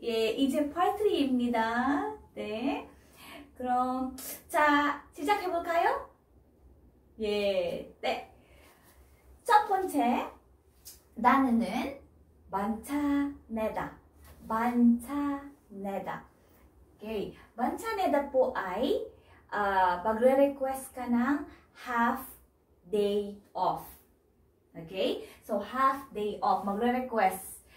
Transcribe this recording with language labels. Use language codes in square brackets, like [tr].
[ko] 예, 이제 파트 3입니다. 네. 그럼 자, 시작해 볼까요? 예. 네. 첫 번째 단어는 만차내다. 만차내다. 오케이. [tl] 만차내다 po ay magre-request ka ng [en] half day off. Okay? [tl] So [en] half day off [tl] magre-request.